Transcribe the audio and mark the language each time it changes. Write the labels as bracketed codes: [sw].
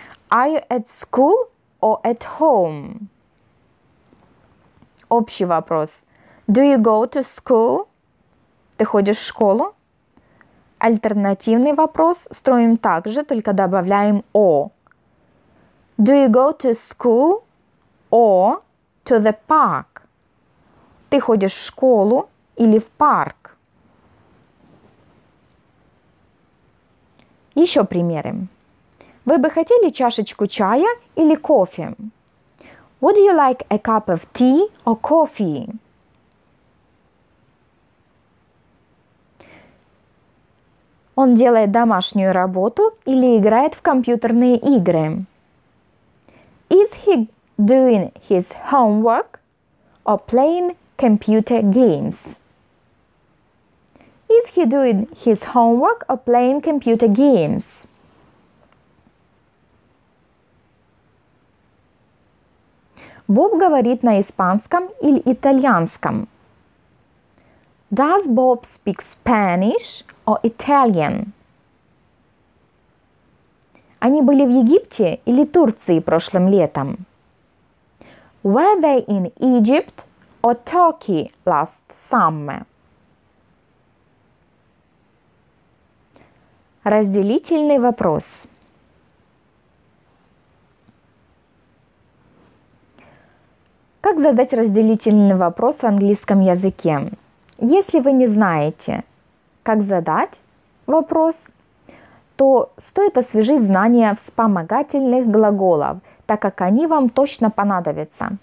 [en] Are you at school or at home? [ru] Общий вопрос. [en] Do you go to school? [ru] Ты ходишь в школу? Альтернативный вопрос строим так же, только добавляем о. [en] Do you go to school or to the park? [ru] Ты ходишь в школу или в парк? Еще примеры. Вы бы хотели чашечку чая или кофе? [en] Would you like a cup of tea or coffee? [ru] Он делает домашнюю работу или играет в компьютерные игры? [en] Is he doing his homework or playing computer games? Is he doing his homework or playing computer games? [ru] Боб говорит на испанском или итальянском? [en] Does Bob speak Spanish or Italian? [ru] Они были в Египте или Турции прошлым летом? [en] Were they in Egypt or Turkey last summer? [ru] Разделительный вопрос. Как задать разделительный вопрос в английском языке? Если вы не знаете, как задать вопрос, то стоит освежить знания вспомогательных глаголов, так как они вам точно понадобятся.